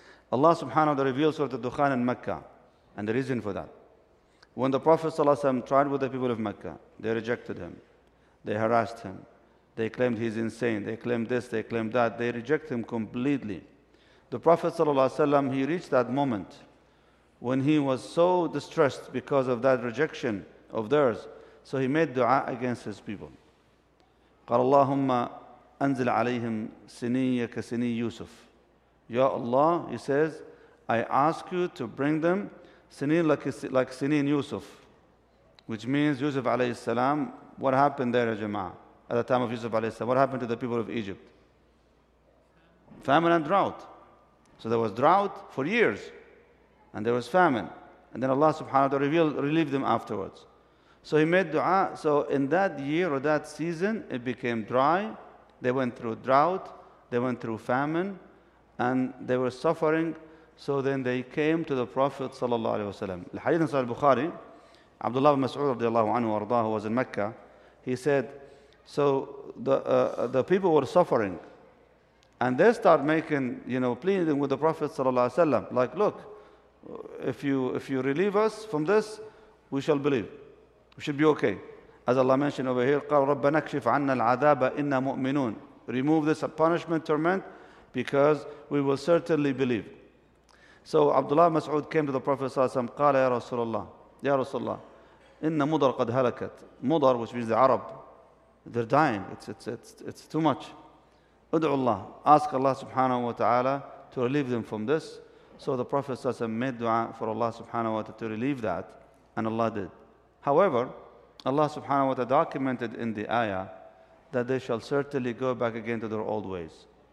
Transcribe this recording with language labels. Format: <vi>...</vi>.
<en>Allah subhanahu wa ta'ala revealed Surah Al-Dukhan in Mecca. And the reason for that, when the Prophet sallallahu alayhi wa sallam tried with the people of Mecca, they rejected him. They harassed him. They claimed he's insane. They claimed this, they claimed that. They reject him completely. The Prophet sallallahu alayhi wa sallam, he reached that moment when he was so distressed because of that rejection of theirs. So he made dua against his people.</en> <ar>قال اللهم أنزل عليهم سنية كسني يوسف.</ar> <en>Ya Allah, he says, I ask you to bring them سنين like</en> <ar>سنين يوسف.</ar> <en>Which means Yusuf عليه السلام, what happened there, Jama'ah? At the time of Yusuf عليه السلام, what happened to the people of Egypt? Famine and drought. So there was drought for years. And there was famine. And then Allah subhanahu wa ta'ala relieved them afterwards. So he made dua. So in that year or that season, it became dry. They went through drought. They went through famine. And they were suffering. So then they came to the Prophet sallallahu alayhi wa sallam. The hadith in Sahih Bukhari, Abdullah ibn Mas'ud radiallahu anhu ardahu, was in Mecca. He said, so the people were suffering. And they start making, you know, pleading with the Prophet sallallahu alayhi wa sallam. Like, look, if you relieve us from this, we shall believe. We should be okay. As Allah mentioned over here,</en> <ar>قَالَ رَبَّنَا اكْشِفْ عَنَّا الْعَذَابَ إِنَّا مُؤْمِنُونَ.</ar> <en>Remove this punishment, torment, because we will certainly believe. So Abdullah Mas'ud came to the Prophet ﷺ,</en> <ar>قَالَ يَا رَسُولَ اللَّهِ, يَا رَسُولَ اللَّهِ, إِنَّ مُضَرْ قَدْ هَلَكَتْ.</ar> <en>مُضَرْ, which means the Arab. They're dying. It's too much.</en> <ar>أُدْعُ اللَّهِ.</ar> <en>Ask Allah subhanahu wa ta'ala to relieve them from this. So the Prophet ﷺ made dua for Allah subhanahu wa ta'ala to relieve that. And Allah did. However, Allah subhanahu wa ta'ala documented in the ayah that they shall certainly go back again to their old ways.</en>